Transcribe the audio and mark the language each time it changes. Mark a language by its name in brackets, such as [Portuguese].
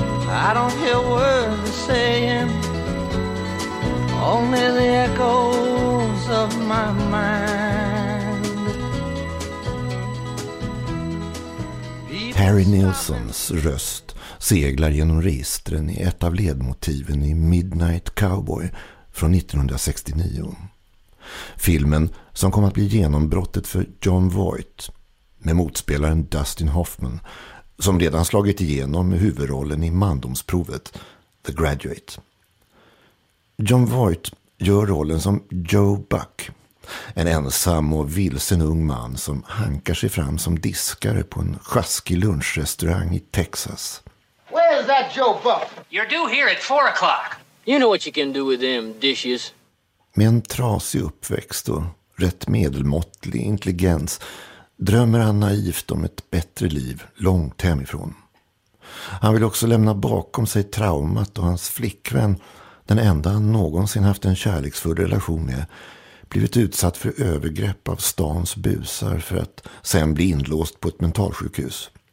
[English] I don't hear words saying, only the echoes of my mind. [Swedish] Perry Nilssons röst seglar genom registren i ett av ledmotiven i Midnight Cowboy från 1969. Filmen som kom att bli genombrottet för John Voight med motspelaren Dustin Hoffman, som redan slagit igenom med huvudrollen i mandomsprovet The Graduate. John Voight gör rollen som Joe Buck, en ensam och vilsen ung man som hankar sig fram som diskare på en sjaskig lunchrestaurang i Texas. [English] Where is that Joe Buck? You're due here at 4 o'clock. You know what you can do with them dishes. [Swedish] Med en trasig uppväxt och rätt medelmåttlig intelligens drömmer han naivt om ett bättre liv långt hemifrån. Han vill också lämna bakom sig traumat och hans flickvän, den enda han någonsin haft en kärleksfull relation med, blivit utsatt för övergrepp av stans busar för att sen bli inlåst på ett mentalsjukhus.